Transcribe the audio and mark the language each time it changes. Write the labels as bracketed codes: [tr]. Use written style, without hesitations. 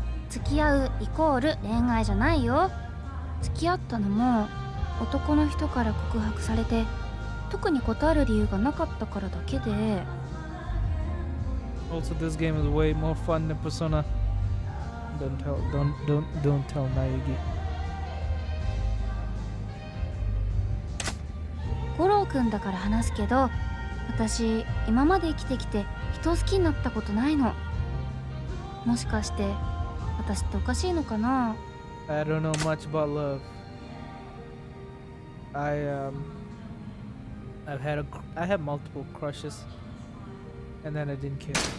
[ja] 付き合うイコール恋愛じゃないよ。付き合ったのも男の人から告白されて特に断る理由がなかったからだけで。 [en] Also this game is way more fun than Persona. Don't tell Nayugi. [ja] ゴロウ君だから話すけど、私今まで生きてきて人を好きになったことないの。もしかして私っておかしいのかな。 [en] I don't know much about love. I had multiple crushes and then I didn't care.